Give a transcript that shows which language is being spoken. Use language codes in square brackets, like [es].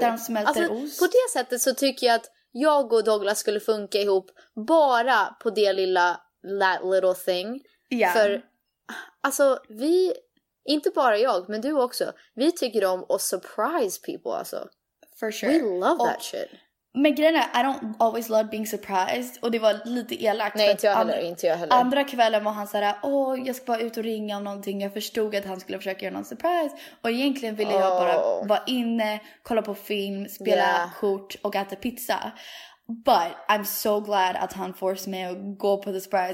[sv] Där de smälter alltså, ost. På det sättet så tycker jag att jag och Douglas skulle funka ihop bara på det lilla [en] that little thing. Yeah. [sv] För alltså vi, inte bara jag, men du också, vi tycker om att [en] surprise people [sv] alltså. [en] For sure. We love that shit. [sv] Men grejen är, [en] I don't always love being surprised. [sv] Och det var lite elakt. Nej, inte jag heller. Andra kvällen var han såhär, jag ska bara ut och ringa om någonting. Jag förstod att han skulle försöka göra någon surprise. Och egentligen ville jag bara vara inne, kolla på film, spela kort och äta pizza. [en] But I'm so glad [sv] att han [en] forced [sv] mig att gå på The Spice.